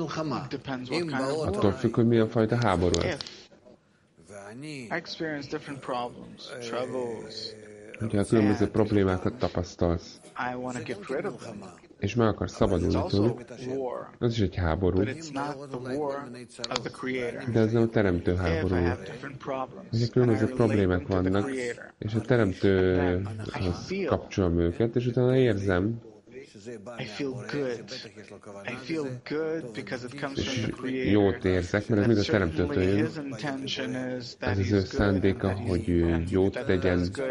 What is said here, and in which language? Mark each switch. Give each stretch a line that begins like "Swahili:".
Hungarian: Attól függ, hogy milyen fajta háború.
English: I experience different problems, troubles.
Hungarian: Ugye a különböző problémákat tapasztalsz.
English: I want to get rid of them.
Hungarian: És meg akarsz szabadulni tőlük. Ez is egy háború.
English: But it's not the war of the creator.
Hungarian: De ez nem a teremtő háború. Ugye különböző problémák vannak, és a teremtőhoz kapcsolom őket, és utána érzem.
English: I feel good because it comes from the creator.
Hungarian: Jót érzek, mert ez mind a teremtőtől jön. Ez az ő szándéka, hogy ő jót tegyen.